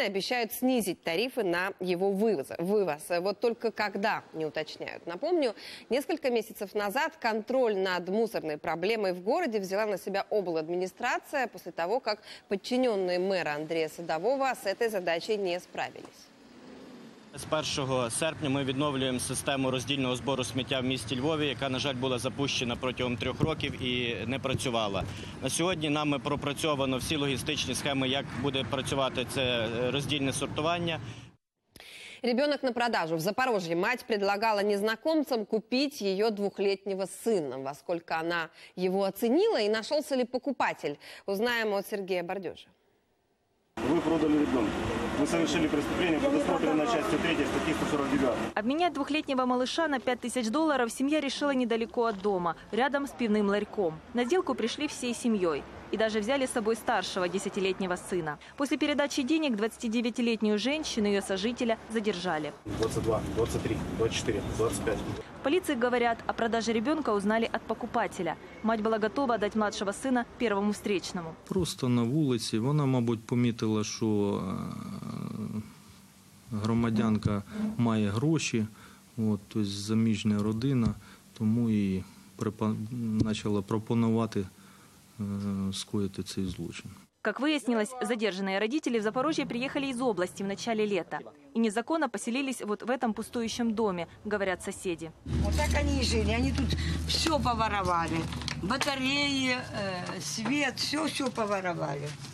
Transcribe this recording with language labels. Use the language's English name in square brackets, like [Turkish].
[Russian] Обещают снизить тарифы на его вывоз. Вот только когда, не уточняют. Напомню, несколько месяцев назад контроль над мусорной проблемой в городе взяла на себя обладминистрация после того, как подчиненные мэра Андрея Садового с этой задачей не справились. [Ukrainian] С 1 серпня мы відновлюємо систему роздільного збору сміття в місті Львові, яка, на жаль, була запущена протягом 3 років і не працювала. На сьогодні нами пропрацьовано всі логістичні схеми, як буде працювати це роздільне сортування. [Russian] Ребенок на продажу. В Запорожье мать предлагала незнакомцам купить ее 2-летнего сына. Во сколько она его оценила и нашелся ли покупатель? Узнаем от Сергея Бордежа. Вы продали ребенка. Вы совершили преступление, предусмотрено частью 3 статьи 149. Обменять 2-летнего малыша на 5000 долларов семья решила недалеко от дома, рядом с пивным ларьком. На сделку пришли всей семьей. И даже взяли с собой старшего 10-летнего сына. После передачи денег 29-летнюю женщину и ее сожителя задержали. 22, 23, 24, 25. В полиции говорят, о продаже ребенка узнали от покупателя. Мать была готова отдать младшего сына первому встречному. Просто на улице. Она, [Ukrainian] мабуть, [Russian] пометила, что [Ukrainian] громадянка має гроші. [Russian] Вот, то есть [Ukrainian] заміжня родина. Тому и начала пропонувати скоїти цей злочин. [Russian] Как выяснилось, задержанные родители в Запорожье приехали из области в начале лета. И незаконно поселились вот в этом пустующем доме, говорят соседи. Вот так они и жили. Они тут все поворовали. Батареи, свет, все-все поворовали.